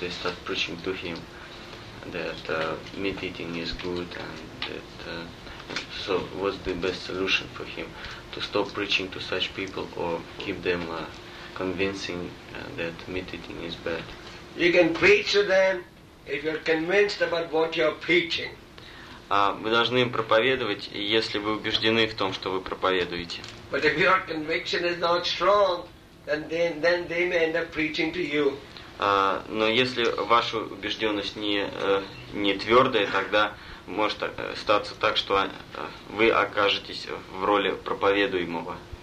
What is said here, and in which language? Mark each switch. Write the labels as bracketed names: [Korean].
[English] They start preaching to him that meat eating is good, and that so what's the best solution for him? To stop preaching to such people or keep them convincing that meat eating is bad? You can preach to them if you're convinced about what you're preaching. [Russian] Вы должны им проповедовать, если вы убеждены в том, что вы проповедуете. [English] But if your conviction is not strong, then they may end up preaching to you. [Russian] Но если ваша убежденность не твердая, тогда может статься так, что вы окажетесь в роли проповедуемого.